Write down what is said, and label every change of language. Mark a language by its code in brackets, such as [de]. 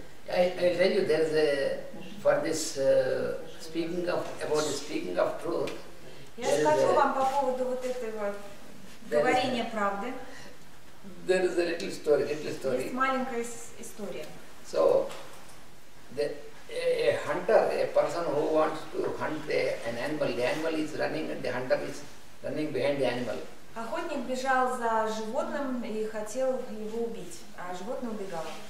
[en] I tell you, there is a for this speaking of about the speaking of truth. [ru] Я скажу вам по поводу вот этого говорения правды. [en] There is a little story. Little story. [ru] Есть маленькая история. [en] So, a hunter, a person who wants to hunt an animal. The animal is running, and the hunter is running behind the animal. [ru] Охотник бежал за животным и хотел его убить, а животное убегало.